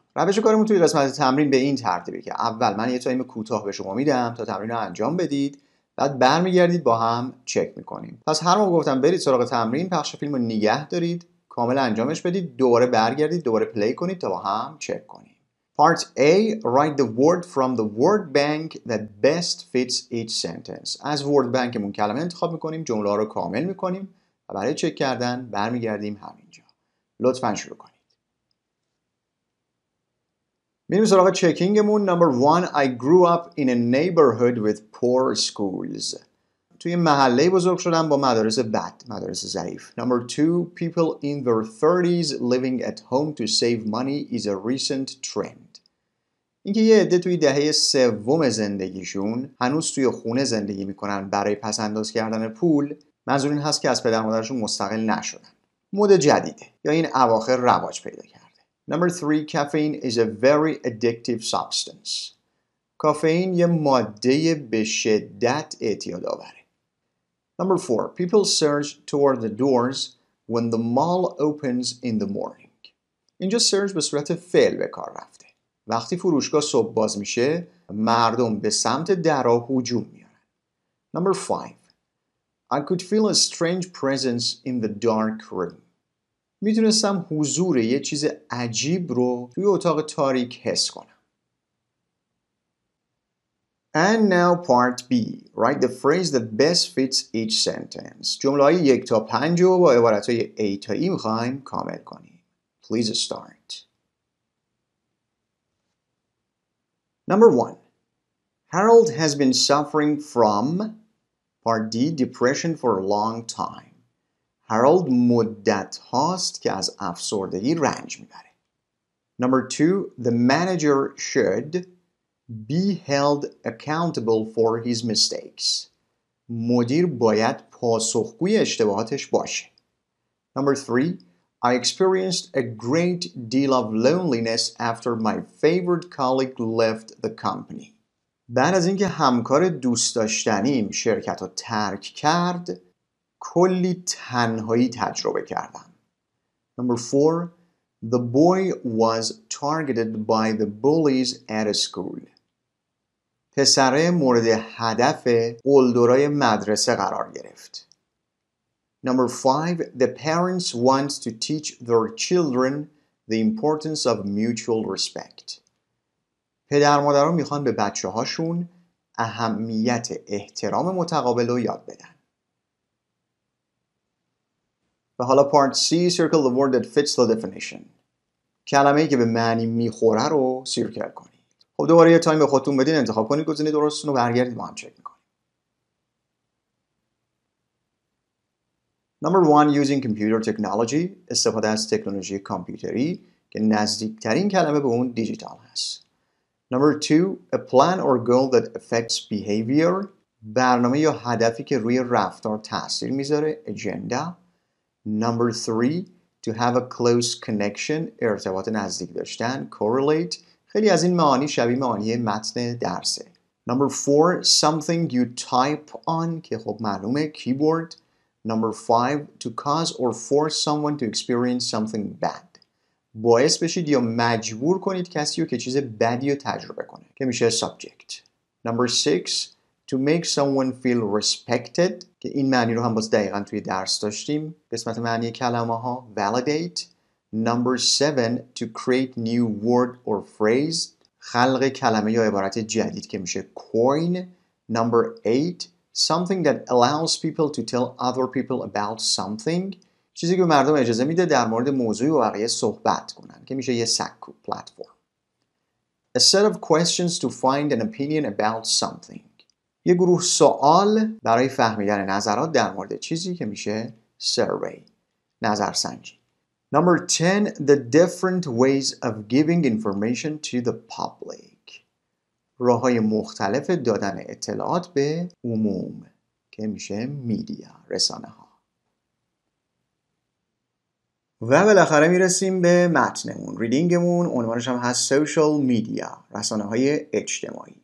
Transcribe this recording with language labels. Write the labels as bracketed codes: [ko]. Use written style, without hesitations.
[fa] روش کارمون توی قسمت تمرین به این ترتیبه که اول من یه تایم کوتاه به شما میدم تا تمرین رو انجام بدید، بعد برمیگردید با هم چک میکنیم. پس هر موقع گفتم برید سراغ تمرین، پخش فیلم رو نگه دارید، کامل انجامش بدید، دوباره برگردید، دوباره پلی کنید تا با هم چک کنیم. [en] Part A: Write the word from the word bank that best fits each sentence. [fa] از word bankمون کلمه انتخاب میکنیم، جمله‌ها رو کامل میکنیم و برای چک کردن برمیگردیم همینجا. لطفاً شروع کنید. میریم سراغ چکینگمون. [en] Number 1: I grew up in a neighborhood with poor schools. [fa] توی محله بزرگ شدم با مدارس بد، مدارس ضعیف. [en] Number 2: People in their 30s living at home to save money is a recent trend. [fa] اینکه یه عده توی دهه سوم زندگیشون هنوز توی خونه زندگی میکنن برای پس انداز کردن پول، منظور این هست که از پدر مادرشون مستقل نشدن. مود جدیده یا این اواخر رواج پیدا کرده. [en] Number 3, caffeine is a very addictive substance. [fa] کافئین یه ماده به شدت اعتیاد آوره. [en] Number 4, people surge toward the doors when the mall opens in the morning. [fa] اینجا surge به صورت فعل به کار رفته. وقتی فروشگاه صبح باز میشه، مردم به سمت درا هجوم میارن. [en] Number 5. I could feel a strange presence in the dark room. [fa] میتونستم حضور یه چیز عجیب رو توی اتاق تاریک حس کنم. [en] And now part B. Write the phrase that best fits each sentence. [fa] جمله های 1 تا 5 رو با عبارت های A تا E میخوایم کامل کنیم. [en] Please start. Number 1. Harold has been suffering from part D depression for a long time. [fa] Harold مدت هاست که از افسردگی رنج میبره. [en] Number 2. The manager should be held accountable for his mistakes. [fa] مدیر باید پاسخگوی اشتباهاتش باشه. [en] Number 3. I experienced a great deal of loneliness after my favorite colleague left the company. [fa] بعد از اینکه همکار دوست داشتنیم شرکت رو ترک کرد، کلی تنهایی تجربه کردم. [en] Number 4. The boy was targeted by the bullies at school. [fa] پسره مورد هدف قلدرای مدرسه قرار گرفت. [en] Number 5. The parents want to teach their children the importance of mutual respect. [fa] پدر مادرها میخوان به بچه هاشون اهمیت احترام متقابل رو یاد بدن. و حالا [en] part C. Circle the word that fits the definition. [fa] کلمه ای که به معنی میخوره رو سیرکل کنید. خب دوباره یه تایم به خودتون بدین، انتخاب کنید گزینه درستتون رو، برگردید با هم چک میکنید. [en] Number 1, using computer technology, [fa] استفاده از تکنولوژی کامپیوتری که نزدیکترین کلمه به اون دیجیتال هست. [en] Number 2, a plan or goal that affects behavior, [fa] برنامه یا هدفی که روی رفتار تأثیر میذاره، agenda. [en] Number 3, to have a close connection, [fa] ارتباط نزدیک داشتن، [en] correlate. [fa] خیلی از این معانی شبیه معانی متن درسه. [en] Number 4, something you type on, [fa] که خب معلومه، [en] keyboard. Number 5, to cause or force someone to experience something bad. [fa] باعث بشید یا مجبور کنید کسی رو که چیز بدی رو تجربه کنه، که میشه subject. [en] Number 6, to make someone feel respected. [fa] که این معنی رو هم باز دقیقا توی درس داشتیم، قسمت معنی کلمه ها، validate. [en] Number 7, to create new word or phrase. [fa] خلق کلمه یا عبارت جدید، که میشه coin. [en] Number 8, something that allows people to tell other people about something. [fa] چیزی که مردم اجازه میده در مورد موضوعی و بقیه صحبت کنن، که میشه یه سکو، platform. [en] A set of questions to find an opinion about something. [fa] یه گروه سوال برای فهمیدن نظرات در مورد چیزی، که میشه survey، نظرسنجی. [en] Number 10, the different ways of giving information to the public. [fa] راه‌های مختلف دادن اطلاعات به عموم، که میشه میدیا، رسانه‌ها. و بالاخره میرسیم به متنمون، ریدینگمون. عنوانش هم هست سوشال میدیا، رسانه‌های اجتماعی.